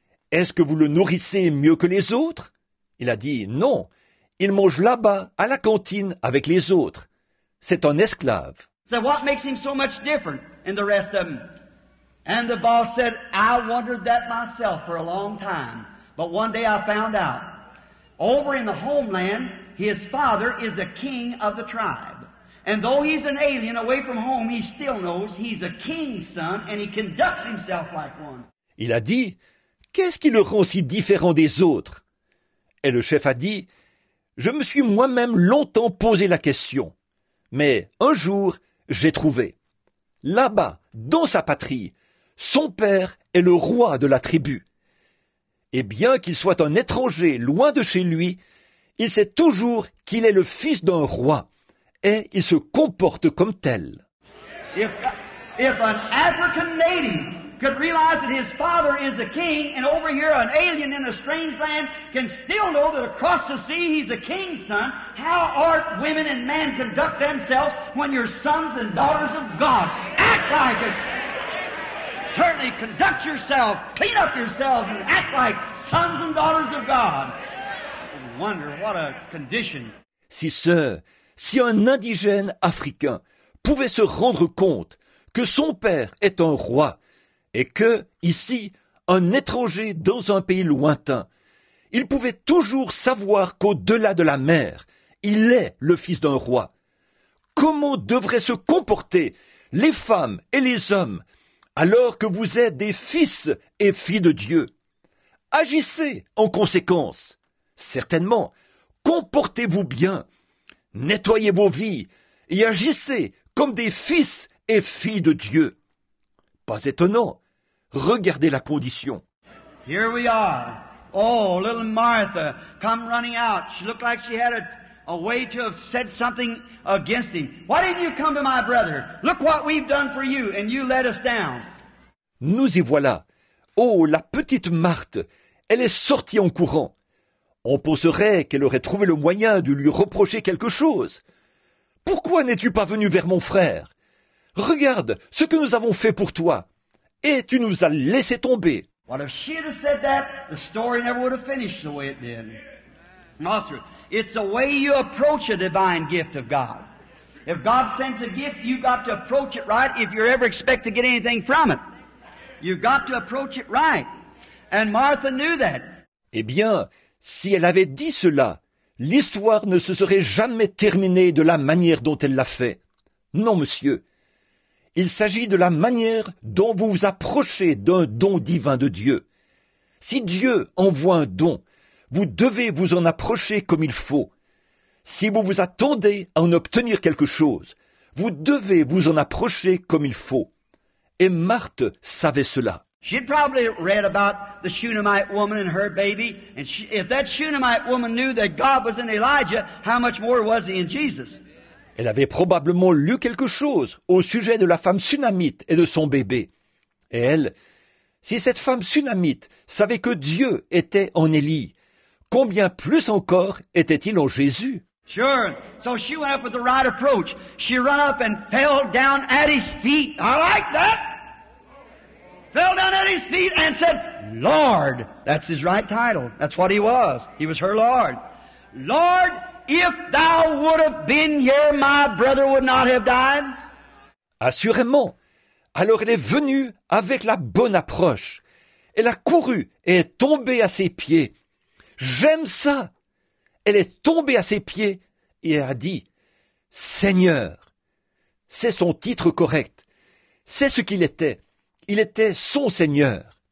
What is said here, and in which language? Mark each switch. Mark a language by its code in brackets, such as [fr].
[fr] Est-ce que vous le nourrissez mieux que les autres? Il a dit, non, il mange là-bas, à la cantine, avec les autres. C'est un esclave. [en] So what makes him so much different than the rest of them? And the boss said, I wondered that myself for a long time. But one day I found out. Over in the homeland, his father is a king of the tribe. And though he's an alien away from home, he still knows he's a king's son and he conducts himself like one. [fr] Il a dit, qu'est-ce qui le rend si différent des autres? Et le chef a dit, je me suis moi-même longtemps posé la question. Mais un jour, j'ai trouvé. Là-bas, dans sa patrie, son père est le roi de la tribu. Et bien qu'il soit un étranger loin de chez lui, il sait toujours qu'il est le fils d'un roi et il se comporte comme tel. [en] If an African native could realize that his father is a king, and over here an alien in a strange land can still know that across the sea he's a king's son. How ought women and men conduct themselves when you're sons and daughters of God? Act like it. Certainly conduct yourself, clean up yourselves, and act like sons and daughters of God. I wonder what a condition. [fr] Si ce, si un indigène africain pouvait se rendre compte que son père est un roi et que, ici, un étranger dans un pays lointain, il pouvait toujours savoir qu'au-delà de la mer, il est le fils d'un roi. Comment devraient se comporter les femmes et les hommes alors que vous êtes des fils et filles de Dieu? Agissez en conséquence. Certainement, comportez-vous bien, nettoyez vos vies et agissez comme des fils et filles de Dieu. Pas étonnant. Regardez la condition. [en] Here we are. Oh, little Martha, come running out. She looked like she had a way to have said something against him. Why didn't you come to my brother? Look what we've done for you, and you let us down. [fr] Nous y voilà. Oh, la petite Marthe, elle est sortie en courant. On penserait qu'elle aurait trouvé le moyen de lui reprocher quelque chose. Pourquoi n'es-tu pas venu vers mon frère? Regarde ce que nous avons fait pour toi. Et tu nous as laissé tomber. [en] What if she had said that, the story never would have finished the way it did. Master, it's the way you approach a divine gift of God. If God sends a gift, you've got to approach it right if you ever expect to get anything from it. You've got to approach it right. And Martha knew that. [fr] Eh bien, si elle avait dit cela, l'histoire ne se serait jamais terminée de la manière dont elle l'a fait. Non, monsieur. Il s'agit de la manière dont vous vous approchez d'un don divin de Dieu. Si Dieu envoie un don, vous devez vous en approcher comme il faut. Si vous vous attendez à en obtenir quelque chose, vous devez vous en approcher comme il faut. Et Marthe savait cela. [en] She'd probably read about the Shunammite woman and her baby, and she, if that Shunammite woman knew that God was in Elijah, how much more was he in Jesus? [fr] Elle avait probablement lu quelque chose au sujet de la femme Tsunamite et de son bébé. Et elle, si cette femme Tsunamite savait que Dieu était en Élie, combien plus encore était-il en Jésus? [en] Sure. So she went up with the right approach. She ran up and fell down at his feet. I like that. Fell down at his feet and said, Lord. That's his right title. That's what he was. He was her Lord. Lord, if thou would have been here, my brother would not have died. [fr] Assurément. Alors elle est venue avec la bonne approche. Elle a couru et est tombée à ses pieds. J'aime ça. Elle est tombée à ses pieds et a dit, Seigneur. C'est son titre correct. C'est ce qu'il était. Il était son Seigneur.